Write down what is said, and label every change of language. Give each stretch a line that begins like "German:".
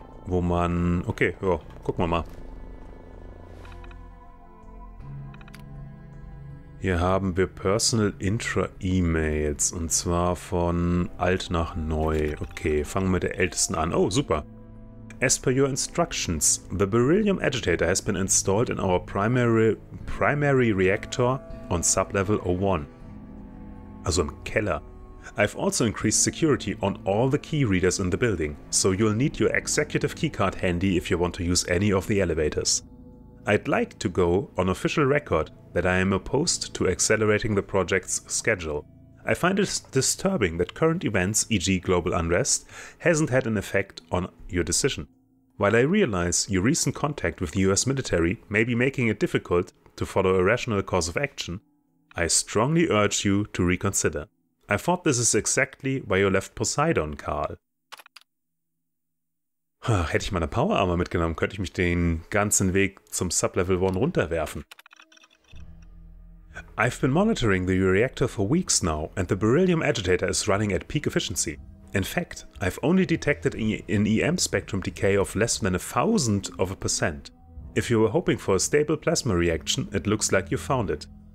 German: Okay, ja, gucken wir mal. Hier haben wir Personal Intra-E-Mails und zwar von alt nach neu. Okay, fangen wir mit der ältesten an. Oh, super.
English: As per your instructions, the Beryllium Agitator has been installed in our primary reactor on sublevel 01.
German: Also im Keller.
English: I've also increased security on all the key readers in the building, so you'll need your executive keycard handy if you want to use any of the elevators. I'd like to go on official record that I am opposed to accelerating the project's schedule. I find it disturbing that current events, e.g. global unrest, hasn't had an effect on your decision. While I realize your recent contact with the US military may be making it difficult to follow a rational course of action, I strongly urge you to reconsider. I thought this is exactly why you left Poseidon, Carl.
German: Hätte ich meine Power Armor mitgenommen, könnte ich mich den ganzen Weg zum Sublevel 1 runterwerfen.
English: I've been monitoring the reactor for weeks now, and the beryllium agitator is running at peak efficiency. In fact, I've only detected an EM spectrum decay of less than 0.001%. If you were hoping for a stable plasma reaction, it looks like you found it.